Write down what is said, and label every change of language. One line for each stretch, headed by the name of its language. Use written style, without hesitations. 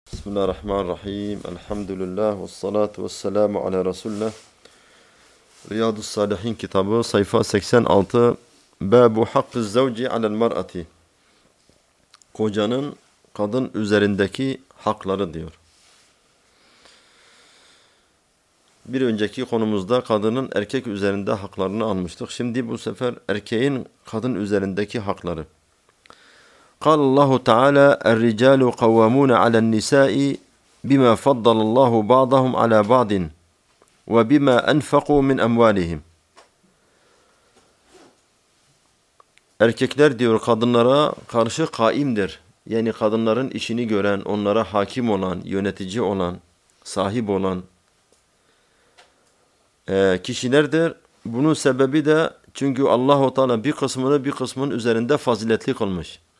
Arabic: بسم الله الرحمن الرحيم، الحمد لله والصلاة والسلام على رسول الله. رياض الصالحين كتابه صيفة 86 باب حق الزوج على المرأة،
Turkish: kocanın kadın üzerindeki hakları diyor. Bir önceki konumuzda kadının erkek üzerinde haklarını almıştık. Şimdi bu sefer erkeğin kadın üzerindeki hakları.
Arabic: قال الله تعالى الرجال قوامون على النساء بما فضل الله بعضهم على بعض وبما أنفقوا من أموالهم.
Turkish: Erkekler diyor kadınlara karşı kaimdir. Yani kadınların işini gören, onlara hakim olan, yönetici olan, sahip olan kişilerdir. Bunun sebebi de çünkü Allah-u Teala bir kısmını bir kısmının üzerinde faziletli kılmış.